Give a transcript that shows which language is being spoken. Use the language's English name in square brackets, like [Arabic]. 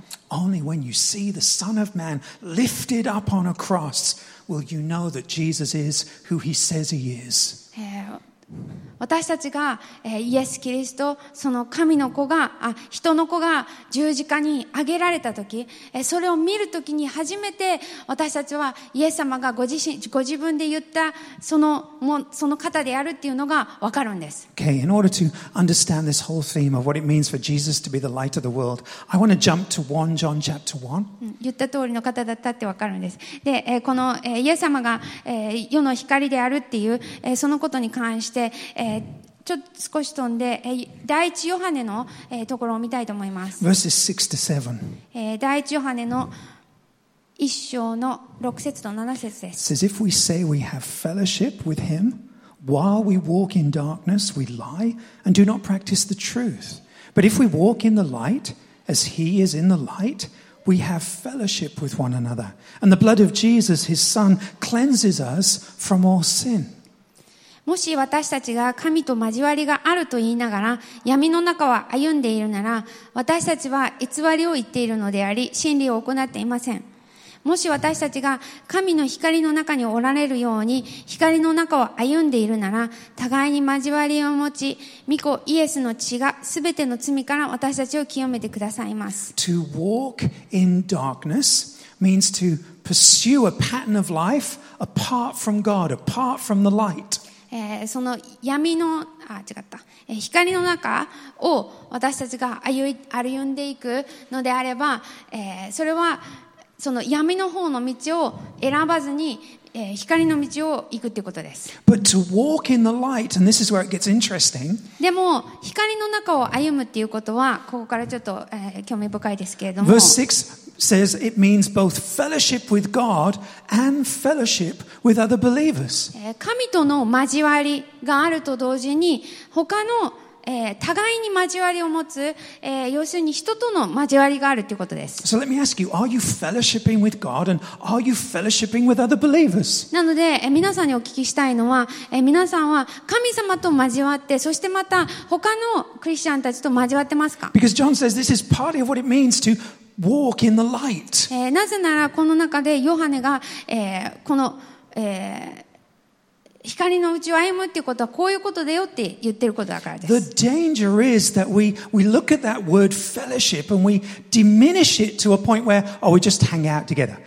[English] Only when you see the Son of Man lifted up on a cross will you know that Jesus is who He says He is. [Japanese] 私たちが、イエス・キリスト、その神の子が、人の子が十字架に挙げられたとき、それを見るときに初めて私たちはイエス様がご自分で言ったその方であるっていうのが分かるんです。 [English] Okay, in order to understand this whole theme of what it means for Jesus to be the light of the world, I want to jump to 1 John chapter 1. [Japanese] 言った通りの方だったって分かるんです。で、このイエス様が世の光であるっていう、そのことに関して、ちょっと少し飛んで第一ヨハネのところを見たいと思います。 [English] Verses 6 to 7. [Japanese] 第一ヨハネの一章の6節と7節です。 [English] It says, if we say we have fellowship with him while we walk in darkness, we lie and do not practice the truth. But if we walk in the light as he is in the light, we have fellowship with one another. And the blood of Jesus, his son, cleanses us from all sin. [Japanese] もし私たちが神と交わりがあると言いながら闇の中を歩んでいるなら、私たちは偽りを言っているのであり、真理を行っていません。もし私たちが神の光の中におられるように光の中を歩んでいるなら、互いに交わりを持ち、御子イエスの血が全ての罪から私たちを清めてくださいます。 [English] To walk in darkness means to pursue a pattern of life apart from God, apart from the light. [Japanese] その闇の、違った、光の中を私たちが歩んでいくのであれば、それはその闇の方の道を選ばずに、光の道を行くということです。 [English] But to walk in the light, and this is where it gets interesting. [Japanese] でも光の中を歩むということはここからちょっと、興味深いですけれども、 [English] Verse 6 says it means both fellowship with God and fellowship with other believers. [Japanese] 神との交わりがあると同時に他の互いに交わりを持つ、要するに人との交わりがあるということです。 [English] So let me ask you, are you fellowshipping with God and are you fellowshipping with other believers? [Japanese] なので、皆さんにお聞きしたいのは、皆さんは神様と交わって、そしてまた他のクリスチャンたちと交わってますか? [English] Because John says this is part of what it means to walk in the light. [Japanese] なぜならこの中でヨハネが、この、光のうちを歩むっていうことはこういうことだよって言ってることだからです。 [English] The danger is that we look at that word fellowship and we diminish it to a point where, oh, we just hang out together.